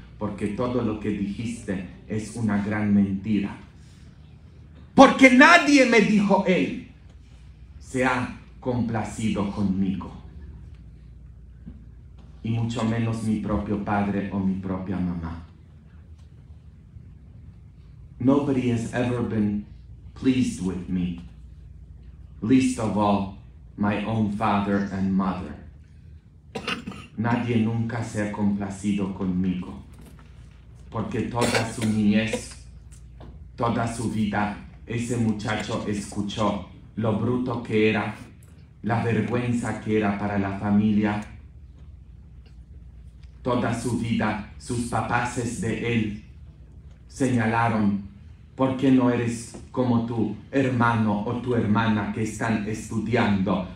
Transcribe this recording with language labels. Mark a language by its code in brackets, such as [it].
[es] porque todo lo que dijiste es una gran mentira. Porque nadie me dijo él, se ha complacido conmigo. Y mucho menos mi propio padre o mi propia mamá. [en] Nobody has ever been pleased with me. Least of all, my own father and mother. [es] Nadie nunca se ha complacido conmigo. Porque toda su niñez, toda su vida, ese muchacho escuchó lo bruto que era, la vergüenza que era para la familia. Toda su vida, sus papás de él señalaron, ¿por qué no eres como tu hermano o tu hermana que están estudiando?